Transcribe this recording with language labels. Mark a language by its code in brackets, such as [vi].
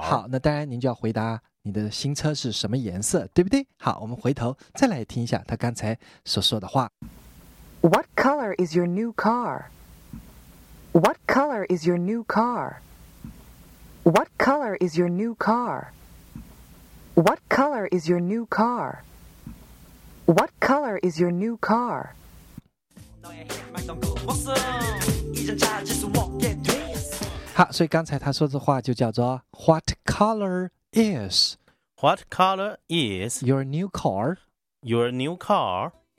[zh] 好，那当然您就要回答你的新车是什么颜色，对不对？好，我们回头再来听一下他刚才所说的话。 [en] What color is your new car? What color is your new car? What color is your new car? What color is your new car? What color is your new car? [zh] Ha, 所以刚才他说的话就叫做 [en] What color is? What color is your new car? Your new car?